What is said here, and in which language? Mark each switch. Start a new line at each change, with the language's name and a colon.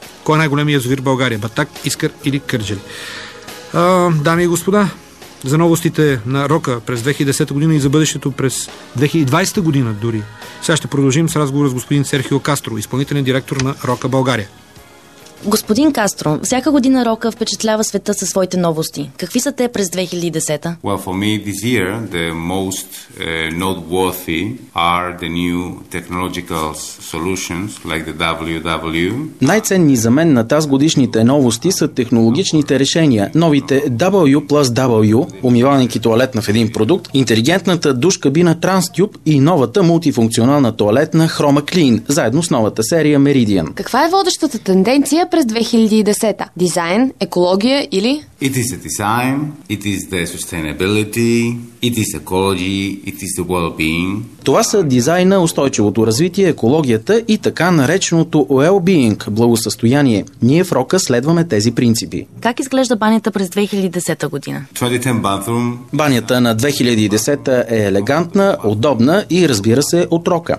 Bulgarian: Кой е най-големият язовир в България? Батак, Искър или Кърджали? Дами и господа, за новостите на Рока през 2010 година и за бъдещето през 2020 година дори. Сега ще продължим с разговора с господин Серхио Кастро, изпълнителен директор на Рока България. Господин Кастро, всяка година Рока впечатлява света със своите новости. Какви са те през 2010-та?
English: Well, for me this year the most noteworthy are the new technological solutions like the WW.
Bulgarian: Най-ценни за мен на тази годишните новости са технологичните решения. Новите W+W, умивалник и тоалетна в един продукт, интелигентната душкабина TransTube и новата мултифункционална тоалетна Chroma Clean, заедно с новата серия Meridian. Каква е водещата тенденция през 2010-та? Дизайн, екология или...
English: It is the design, it is the sustainability, it is ecology, it is the well-being.
Bulgarian: Това са дизайна, устойчивото развитие, екологията и така нареченото well-being, благосъстояние. Ние в Рока следваме тези принципи. Как изглежда банята през 2010 година?
English: 2010 bathroom.
Bulgarian: Банята на 2010 е елегантна, удобна и, разбира се, от Рока.